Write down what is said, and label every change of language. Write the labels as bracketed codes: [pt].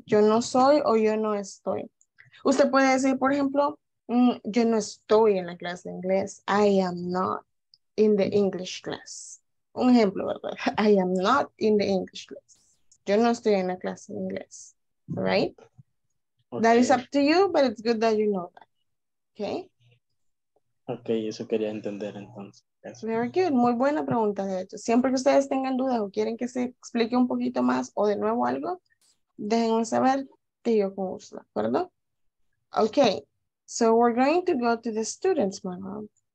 [es] Yo no soy o yo no estoy. Usted puede decir, por ejemplo, yo no estoy en la clase de inglés. [en] I am not in the English class. [es] Un ejemplo, ¿verdad? [en] I am not in the English class. [es] Yo no estoy en la clase de inglés. [en] All right? Okay. That is up to you, but it's good that you know that. Okay? [es] Okay, eso quería entender entonces. [en] Yes. Very good. [es] Muy buena pregunta, de hecho. Siempre que ustedes tengan dudas o quieren que se explique un poquito más o de nuevo algo, déjenme saber que yo con gusto, ¿de acuerdo? [en] Okay. So we're going to go to the student's manual.